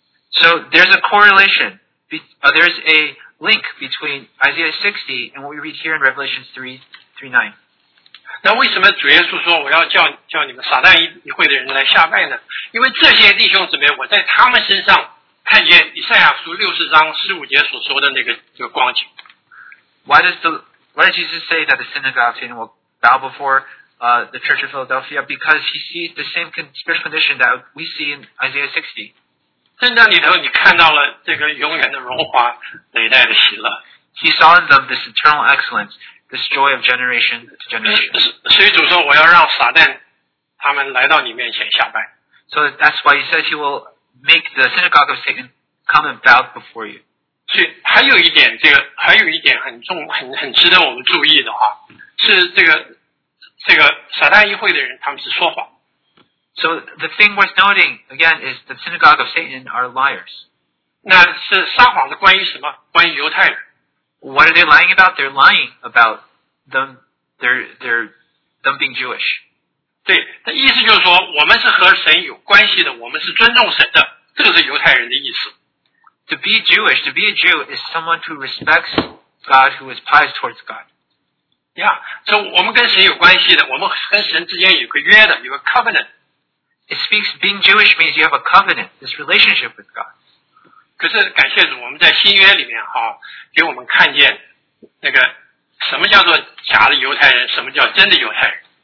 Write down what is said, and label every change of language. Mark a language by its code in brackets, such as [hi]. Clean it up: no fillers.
[en] So there's a correlation, there's a link between Isaiah 60 and what we read here in Revelation 3:9. [zh] 那为什么主耶稣说我要叫你们撒旦议会的人来下拜呢？因为这些弟兄姊妹，我在他们身上看见以赛亚书六十章十五节所说的那个光景。 [en] Why does Jesus say that the synagogue of Satan will bow before the Church of Philadelphia? Because he sees the same spiritual condition that we see in Isaiah 60. [zh] 在那里头你看到了这个永远的荣华，累代的喜乐。 [en] He saw in them this eternal excellence this joy of generation to generation. [zh] 所以主说, 我要让撒旦, 他们来到你面前下拜, [en] so that's why he says he will make the synagogue of Satan come and bow before you. [zh] 所以还有一点, 这个, 还有一点很重, 很值得我们注意的话, 是这个, 这个撒旦议会的人, 他们是说谎。 [en] So the thing worth noting, again, is the synagogue of Satan are liars. [zh] 那是撒谎的关于什么?关于犹太人。 [en] What are they lying about? They're lying about them, them being Jewish. [zh] 对,意思就是说, 我们是和神有关系的, 我们是尊重神的, 这个是犹太人的意思。 [en] To be Jewish, to be a Jew, is someone who respects God, who is pious towards God. Yeah, so [zh] 我们跟神有关系的, 我们跟神之间有个约的, 有个covenant。 [en] It speaks, being Jewish means you have a covenant, this relationship with God. [zh] 可是感谢主, 我们在新约里面, 啊, 给我们看见, 那个, 什么叫做假的犹太人, 什么叫真的犹太人。